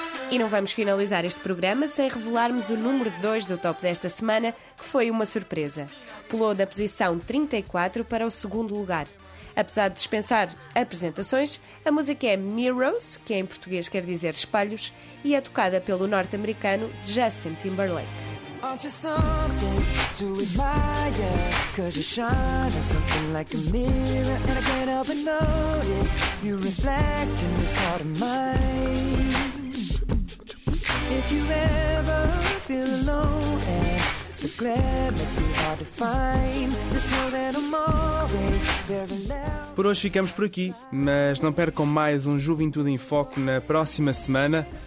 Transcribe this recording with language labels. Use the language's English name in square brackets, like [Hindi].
[Portuguese] E não vamos finalizar este programa sem revelarmos o número 2 do top desta semana, que foi uma surpresa. Pulou da posição 34 para o segundo lugar. Apesar de dispensar apresentações, a música é Mirrors, que em português quer dizer espelhos, e é tocada pelo norte-americano Justin Timberlake. [English] Aren't you something to admire? 'Cause you're shining something like a mirror, and I can't help but notice you reflect in this heart of mine. If you ever feel alone and the glare makes me hard to find, just know that I'm always very loud. [Portuguese] Por hoje ficamos por aqui, mas não percam mais um Juventude em Foco na próxima semana.